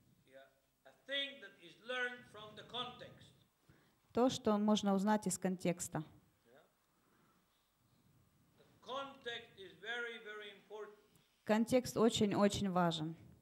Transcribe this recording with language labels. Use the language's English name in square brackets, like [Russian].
[English] Yeah. A thing that is learned from the context. [Russian] То, что можно узнать из контекста. [English] Context is very, very important. [Russian] Контекст очень-очень важен.